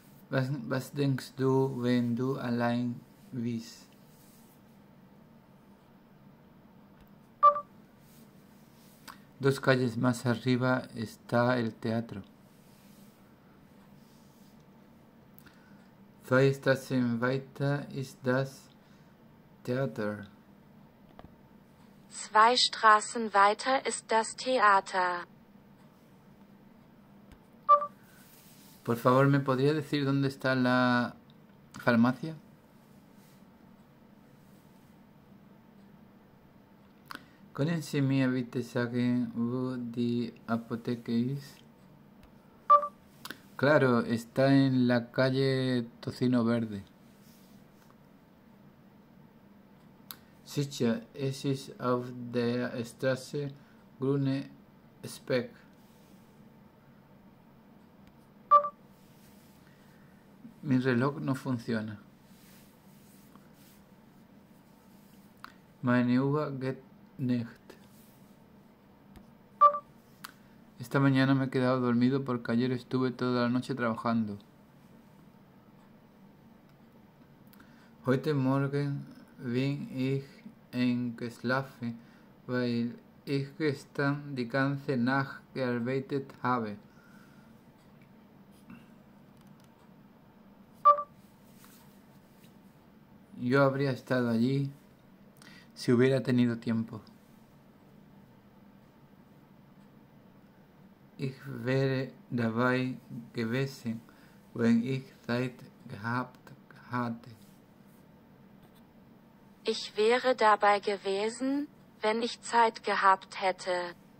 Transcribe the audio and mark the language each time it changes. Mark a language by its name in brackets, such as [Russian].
[German] ¿Was denkst du, wenn du allein bist? [Spanish] Dos calles más arriba está el teatro. [German] Zwei Straßen weiter ist das Theater. Zwei Straßen weiter ist das Theater. [Spanish] Por favor, ¿me podría decir dónde está la farmacia? [German] Können Sie mir bitte sagen, wo die Apotheke ist? [Spanish] Claro, está en la calle Tocino Verde. [German] Sicher, es ist auf der Straße Grüne Speck. [Spanish] Mi reloj no funciona. [German] Meine Uhr geht nicht. [Spanish] Esta mañana me he quedado dormido porque ayer estuve toda la noche trabajando. [German] Heute Morgen bin ich eingeschlafen, weil ich gestern die ganze Nacht gearbeitet habe. [Spanish] Yo habría estado allí si hubiera tenido tiempo. [German] Ich wäre dabei gewesen, wenn ich Zeit gehabt hätte. Ich wäre dabei gewesen, wenn ich Zeit gehabt hätte.